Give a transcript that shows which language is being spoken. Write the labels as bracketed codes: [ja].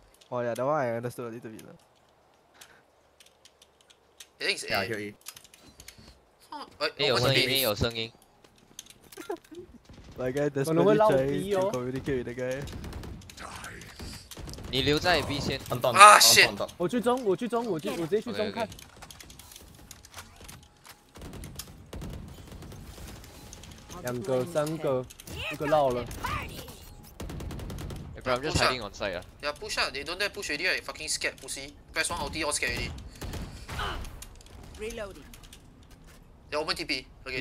[en] Oh yeah, that one I understood a little bit. I think it's A. Yeah, [zh] A. 有声音。 [en] My guy desperately trying to communicate with the guy. [zh] 你留在 B 先 [en] oh, 啊 shit [zh] 我去中看 两个 三个 一个绕了 [en] Abraham just hiding on site 啊 Yeah push up they don't dare push already right fucking scared pussy guys one ulti all scared already reloading they open TP okay